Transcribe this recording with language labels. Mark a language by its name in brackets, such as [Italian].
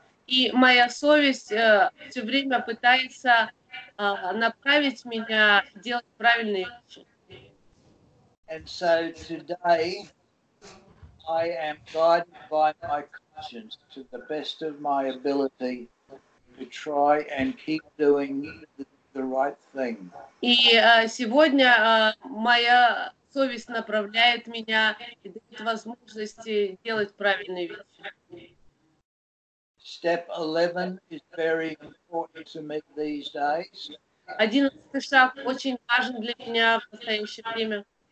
[Russian] И моя совесть все время пытается направить меня делать правильные вещи. [English] And so today I am guided by my conscience to the best of my ability to try and keep doing the right thing. [Russian] И сегодня моя совесть направляет меня и дает возможности делать правильные вещи. [English] Step 11 is very important to me these days. [Russian] 11 шаг очень важен для меня в настоящее время.